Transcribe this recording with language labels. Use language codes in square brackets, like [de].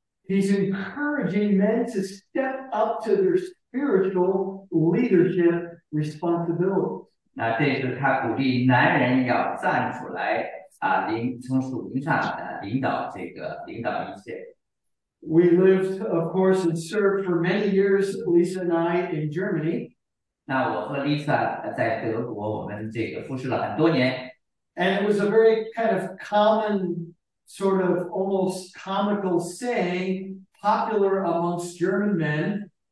[en] He's encouraging men to step up to their spiritual leadership responsibilities. [zh] 那这是他鼓励男人要站出来,从属灵上领导一切。 [en] We lived, of course, and served for many years, Lisa and I, in Germany. [zh] 那我和Lisa在德国,我们服侍了很多年。 [en] And it was a very kind of common, sort of almost comical saying, popular amongst German men.